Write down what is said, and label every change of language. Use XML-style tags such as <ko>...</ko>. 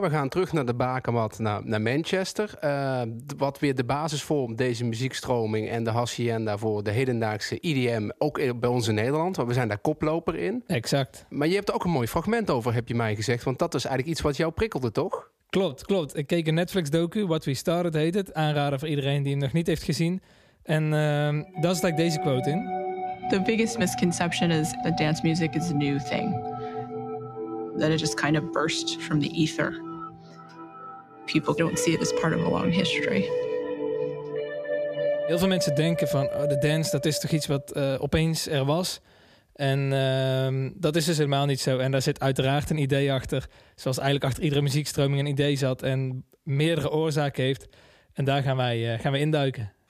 <nl>We gaan terug naar de bakermat, naar Manchester. Wat weer de basis vormt, deze muziekstroming en de Hacienda voor de hedendaagse EDM, ook bij ons in Nederland, want we zijn daar koploper in. Exact. Maar je hebt er ook een mooi fragment over, heb je mij gezegd, want dat is eigenlijk iets wat jou prikkelde, toch? Klopt. Ik keek een Netflix-docu, What We Started heet het. Aanraden voor iedereen die hem nog niet heeft gezien. En daar sta ik deze quote in.</nl> <en>The biggest misconception is that dance music is a new thing. That it just kind of burst from the ether. People don't see it as part of a long history.</en> <nl>Heel veel mensen denken van de dance, dat is toch iets wat opeens er was. En dat is dus helemaal niet zo. En daar zit uiteraard een idee achter. Zoals eigenlijk achter iedere muziekstroming een idee zat en meerdere oorzaken heeft. En daar gaan we induiken.</nl>